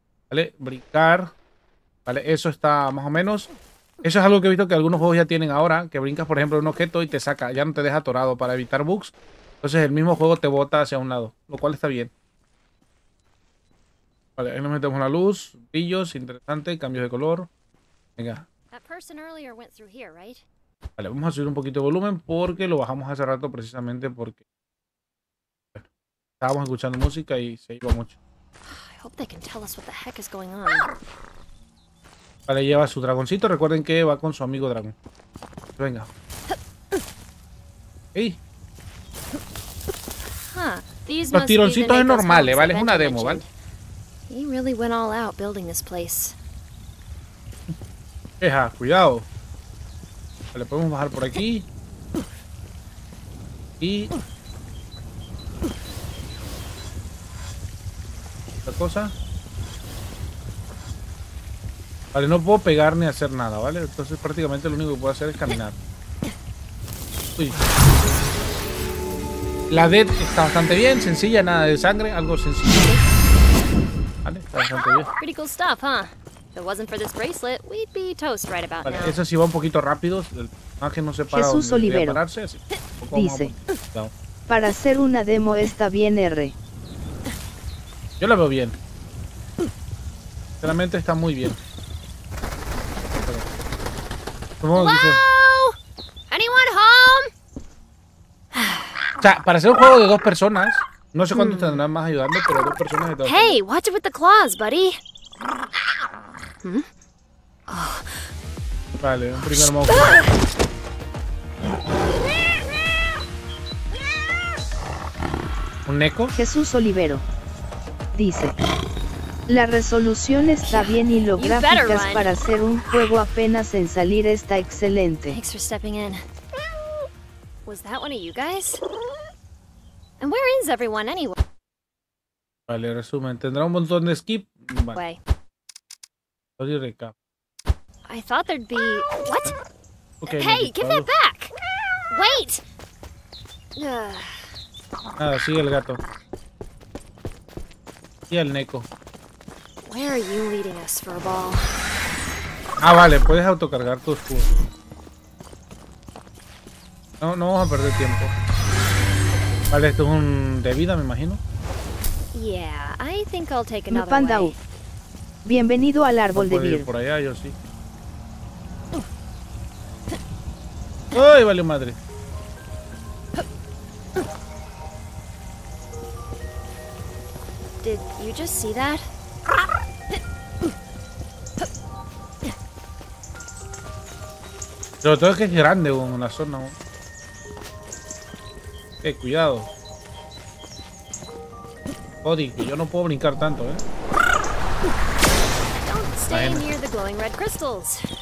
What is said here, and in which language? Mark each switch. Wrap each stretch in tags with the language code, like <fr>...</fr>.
<es>¿Vale? Brincar. ¿Vale? Eso está más o menos. Eso es algo que he visto que algunos juegos ya tienen ahora. Que brincas, por ejemplo, un objeto y te saca. Ya no te deja atorado para evitar bugs. Entonces el mismo juego te bota hacia un lado. Lo cual está bien. Vale, ahí nos metemos la luz. Brillos, interesante. Cambios de color. Venga.</es> <en>That person earlier went through here, right?</en> <es>Vale, vamos a subir un poquito de volumen porque lo bajamos hace rato precisamente porque... Estábamos escuchando música y se iba mucho.</es> <en>I hope they can tell us what the heck is going on.</en> <es>Vale, lleva a su dragoncito. Recuerden que va con su amigo dragón. Venga. ¡Ey! Los tironcitos es normales, ¿vale? Es una demo, ¿vale?</es> <en>He really went all out building this place.</en> <es>Eja, cuidado. Vale, podemos bajar por aquí. Y... cosa. Vale, no puedo pegar ni hacer nada, ¿vale? Entonces prácticamente lo único que puedo hacer es caminar. Uy. La dead está bastante bien, sencilla, nada de sangre, algo sencillo. Vale, está bastante bien.</es> <en>Pretty cool stuff, huh? If it wasn't for this bracelet, we'd be toast right about now.</en> <es>Vale, eso sí va un poquito rápido, el ángel no se para Jesús Olivero debería pararse, así. Dice, no. Para hacer una demo está bien R. Yo la veo bien. Sinceramente está muy bien. ¿Cómo dice?</es> <en>¿Anyone home?</en> <es>O sea, para ser un juego de dos personas, no sé cuántos tendrán más ayudando, pero dos personas de todo.</es> <en>Hey, watch it with the claws, buddy.</en> <es>Vale, un primer monstruo. ¿Un eco? Jesús Olivero. Dice, la resolución está bien y los gráficos para hacer un juego apenas en salir está excelente.</es> <en>Thanks for stepping in. Was that one of you guys? And where is everyone anyway?</en> <es>Vale, resumen, tendrá un montón de skip. Vale.</es> <en>I thought there'd be what? Okay, hey, give that back. Wait.</en> <es>Ah, sigue el gato. Y el Neko.</es> <en>Where are you leading us for a ball?</en> <es>Ah, vale, puedes autocargar tu escudo. No, no vamos a perder tiempo. Vale, esto es un de vida, me imagino.</es> <en>Yeah, I think I'll take another panda.</en> <es>Bienvenido al árbol de vida. Por allá yo sí. Ay, vale madre.</es> <en>Did you just see that?</en> <es>Sobre todo es que es grande en la zona. Cuidado. Odi, que yo no puedo brincar tanto, ¿eh?</es> <en>Don't stay near the glowing red crystals.</en>